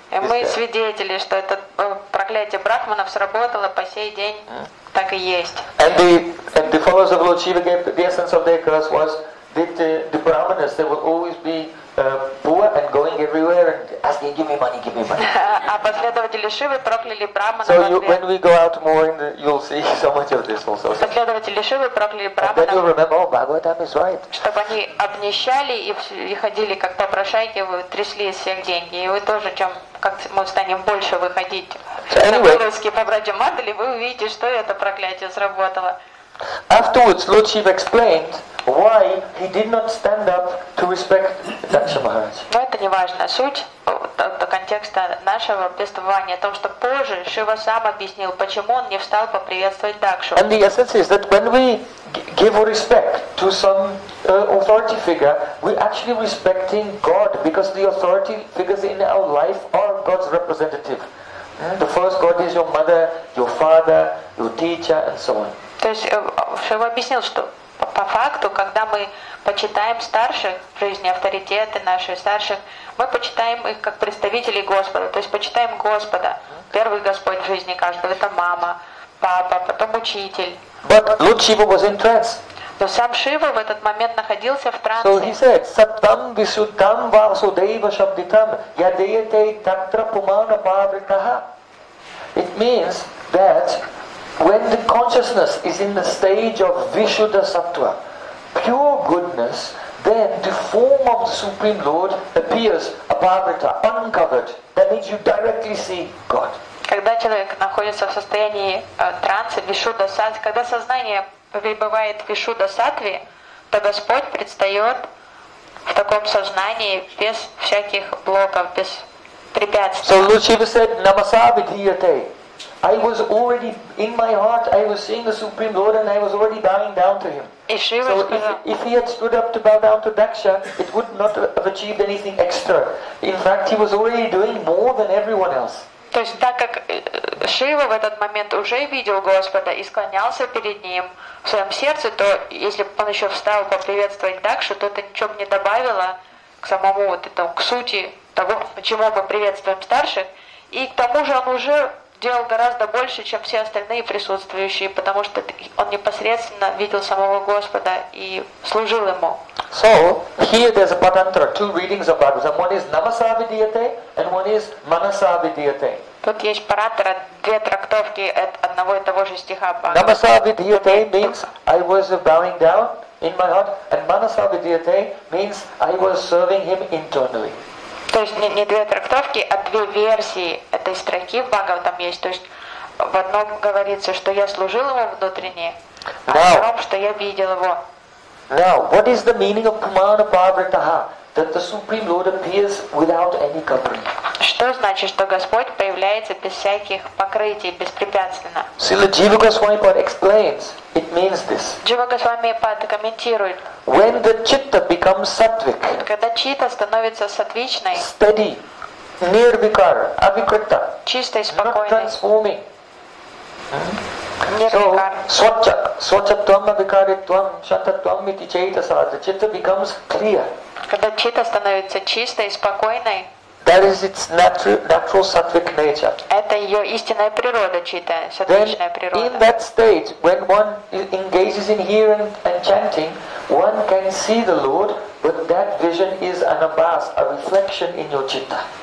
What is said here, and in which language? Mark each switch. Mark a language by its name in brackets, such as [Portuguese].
[Russian] И мы свидетели, что это проклятие брахманов сработало по сей день. Так и есть. [English] And the followers of Lord Shiva gave the essence of their curse was that the brahmanas, they will always be poor and going everywhere and asking, give me money, give me money. [Russian] А последователи Шивы прокляли брахманов. [English] So when we go out more, you'll see so much of this also. [Russian] Последователи Шивы прокляли брахманов. [English] And then you'll remember, oh, Bhagavatam is right. [Russian] Чтобы они обнищали и ходили как попрошайки, трясли из всех деньги. И вы тоже, чем как мы станем больше выходить на Кировский побратья Мандали, вы увидите, что это проклятие сработало. [English] Afterwards, Lord Shiva explained why he did not stand up to respect Daksha Maharaj. [Russian] Но это не важно. Суть контекста нашего повествования о том, что позже Шива сам объяснил, почему он не встал поприветствовать Дакшу. [English] And the essence is that when we give respect to some authority figure, we actually respecting God, because the authority figures in our life are God's representative. The first God is your mother, your father, your teacher, and so on. [Russian] То есть Шива объяснил, что по факту, когда мы почитаем старших в жизни, авторитеты наших старших, мы почитаем их как представителей Господа, то есть почитаем Господа. Первый Господь в жизни каждого — это мама, папа, потом учитель. [English] But Lord Shiva was in trance. [Russian] Но сам Шива в этот момент находился в трансе. [English] So he said, [Sanskrit] Саттам висуттам васудейва шабдитам ядеете тактра пумана павритаха. [English] It means that when the consciousness is in the stage of Vishuddha Sattva, pure goodness, then the form of the Supreme Lord appears, Abhavrita, uncovered. That means you directly see God. [Russian] Когда человек находится в состоянии транса, Вишудда Сатви, когда сознание пребывает в Вишудда Сатви, то Господь предстает в таком сознании без всяких блоков, без препятствий. [English] So Lord Shiva said, Namasa Vidhiyate. I was already in my heart. I was seeing the Supreme Lord, and I was already bowing down to Him. So if He had stood up to bow down to Daksha, it would not have achieved anything extra. In fact, He was already doing more than everyone else. [Russian] То есть так как Шива в этот момент уже видел Господа и склонялся перед Ним в своем сердце, то если бы он еще встал поприветствовать Дакшу, то это ничего бы не добавило к самому вот этому, к сути того, почему мы приветствуем старших, и к тому же он уже делал гораздо больше, чем все остальные присутствующие, потому что он непосредственно видел самого Господа и служил ему. [English] So here there's a patantra, two readings of Bhagavatam. One is Namasa Vidhiyate and one is Manasa Vidhiyate. [Russian] Тут есть патантра, две трактовки одного и того же стиха. [English] Namasa Vidhiyate means I was bowing down in my heart, and Manasa Vidhiyate means I was serving Him internally. [Russian] То есть не две трактовки, а две версии этой строки в Бхагаватам есть. То есть в одном говорится, что я служил ему внутренне, а в другом, что я видел его. [English] Now, what is the meaning of Pumana Pavritaha? That the Supreme Lord appears without any covering. [Russian] Что значит, что Господь появляется без всяких покрытий, беспрепятственно? [English] Srila Jiva Goswami Pad explains, it means this. [Russian] Jiva Goswami Pad комментирует. [English] When the chitta becomes sattvic, [Russian] когда чита становится сатвичной, [English] steady, nirvikara, avikrita, [Russian] чистой, спокойной, [English] not transforming. [Sanskrit] Nirvikara. So, swacha, swachatvam, avikarityam, shatatvam iti chaitasa, [English] the chitta becomes clear. [Russian] Когда чита становится чистой и спокойной, [English] that is its natural sattvic nature. [Russian] Это ее истинная природа, чита, сатвичная природа. [English] In that state, when one engages in hearing and chanting, one can see the Lord, but that vision is an abhas, a reflection in your chitta.